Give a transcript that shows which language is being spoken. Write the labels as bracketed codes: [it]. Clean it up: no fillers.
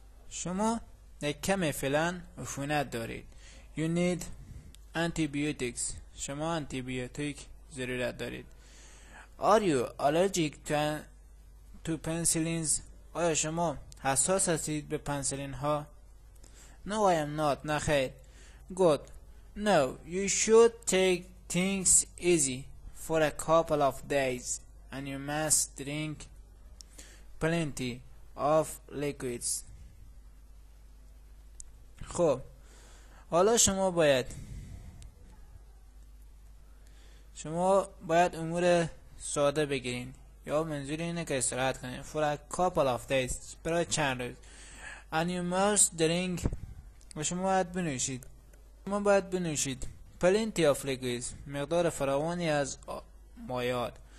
[fa] شما یک کمی فلان عفونت دارید. [en] You need antibiotics. [fa] شما انتیبیوتیک ضرورت دارید. [en] Are you allergic to penicillins? [fa] آیا شما حساس هستید به پنسلین ها؟ [en] No, I am not. [fa] نه خیر. Good. [en] No, you should take things easy for a couple of days and you must drink plenty of liquids. [fa] خب حالا شما باید امور ساده بگیرین، یا منظور اینه که استراحت کنین. [en] For a couple of days، [fa] برای چند روز. [en] And you must drink، [fa] و شما باید بنوشید [en] plenty of liquids، [fa] مقدار فراوانی از مایعات.